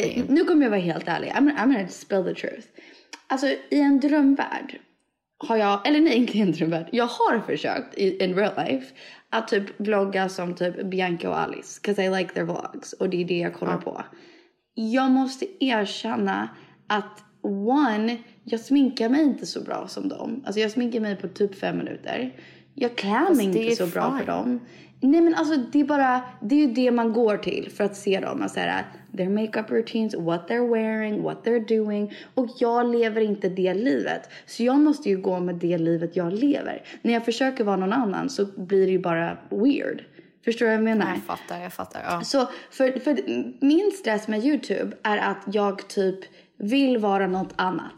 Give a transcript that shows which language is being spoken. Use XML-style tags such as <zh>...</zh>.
<sv>Nu kommer jag vara helt ärlig.</sv> <en>I'm gonna spill the truth.</en> <sv>Alltså, i en drömvärld har jag, eller nej, inte i en drömvärld, jag har försökt</sv> <en>in real life</en> <sv>att typ vlogga som typ Bianca och Alice,</sv> <en>because I like their vlogs,</en> <sv>och det är det jag kollar på. Jag måste erkänna att, one, jag sminkar mig inte så bra som dem. Alltså, jag sminkar mig på typ 5 minuter. Jag klär mig inte så bra för dem. Nej, men alltså, det är bara, det är ju det man går till för att se dem.</sv> <en>Alltså, their makeup routines, what they're wearing, what they're doing.</en> <sv>Och jag lever inte det livet. Så jag måste ju gå med det livet jag lever. När jag försöker vara någon annan så blir det ju bara weird. Förstår du vad jag menar? Jag fattar, ja. Så, för min stress med YouTube är att jag typ vill vara något annat.</sv>